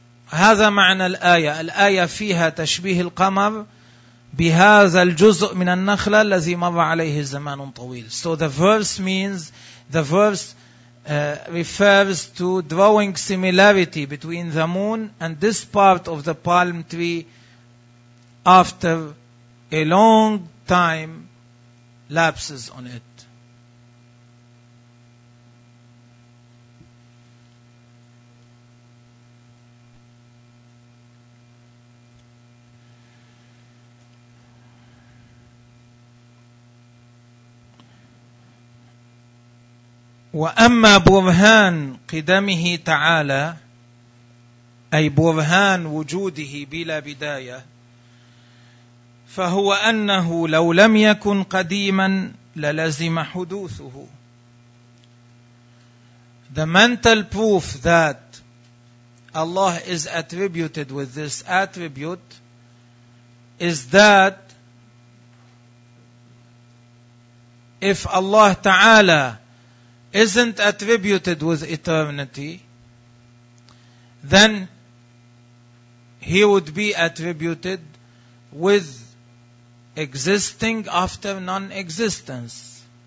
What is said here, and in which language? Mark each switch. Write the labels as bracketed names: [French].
[Arabic] هذا معنى الآية. الآية فيها تشبيه القمر بهذا الجزء من النخلة الذي مضى عليه زمان طويل. [English] So the verse means, the verse refers to drawing similarity between the moon and this part of the palm tree after a long time lapses on it. [Arabic] وأما برهان قدمه تعالى أي برهان وجوده بلا بداية فهو أنه لو لم يكن قديما للزم حدوثه. [English] The mental proof that Allah is attributed with this attribute is that if Allah تعالى isn't attributed with eternity, then he would be attributed with existing after non-existence.